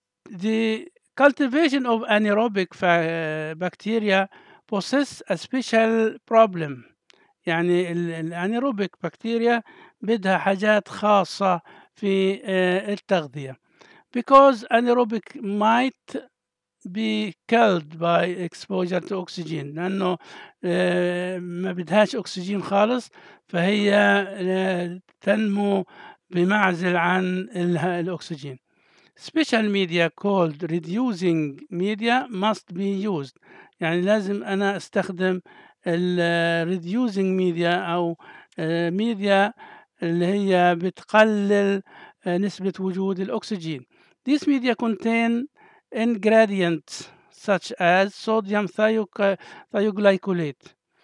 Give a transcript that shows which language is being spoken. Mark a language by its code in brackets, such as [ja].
[en] The cultivation of anaerobic bacteria possess a special problem. [ar] يعني الانيروبيك بكتيريا بدها حاجات خاصة في التغذية. [en] Because anaerobic might be killed by exposure to oxygen. [ar] لأنه ما بدهاش أكسجين خالص فهي تنمو بمعزل عن الأكسجين. [en] Special media called reducing media must be used. [ar] يعني لازم أنا أستخدم الreducing media أو ميديا اللي هي بتقلل نسبة وجود الأكسجين. [en] These media contain ingredients such as sodium thioglycolate.